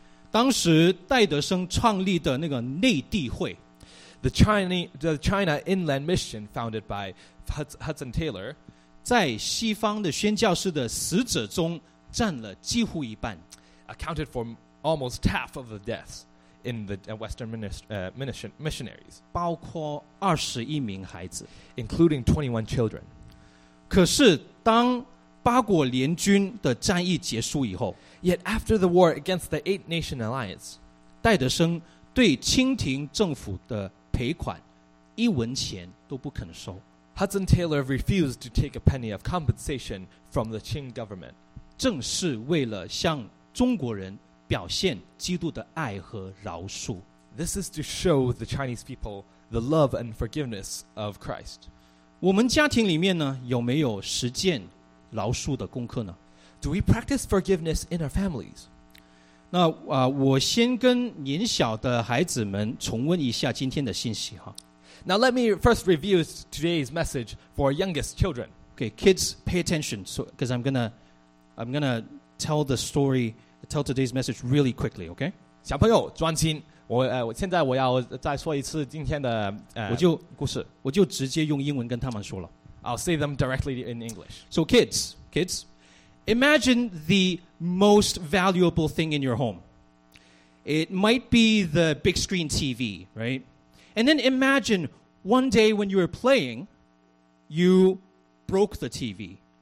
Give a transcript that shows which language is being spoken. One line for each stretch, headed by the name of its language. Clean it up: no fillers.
Chinese: 当时戴德生创立的那个内地会。
English: The China Inland Mission founded by Hudson Taylor,
Chinese: 在西方的宣教士的死者中占了几乎一半
English: accounted for almost half of the deaths in the Western missionaries,
Chinese: 包括21名孩子
English: including 21 children.
Chinese: 可是当八国联军的战役结束以后
English: yet after the war against the Eight Nation Alliance,
Chinese: 戴德生对清廷政府的赔款一文钱都不肯收。
English: Hudson Taylor refused to take a penny of compensation from the Qing government.
Chinese: 正是为了向中国人表现基督的爱和饶恕。
English: This is to show the Chinese people the love and forgiveness of Christ.
Chinese: 我们家庭里面呢，有没有实践饶恕的功课呢？
English: Do we practice forgiveness in our families?
Chinese: 那我先跟年小的孩子们重温一下今天的信息哈。
English: Now let me first review today's message for youngest children. Okay, kids, pay attention, because I'm gonna tell the story, tell today's message really quickly. Okay.
Chinese: 小朋友专心，我现在要再说一次今天的故事，我就直接用英文跟他们说了。
English: I'll say them directly in English. So kids. Imagine the most valuable thing in your home. It might be the big screen TV, right? And then imagine one day when you were playing, you broke the TV.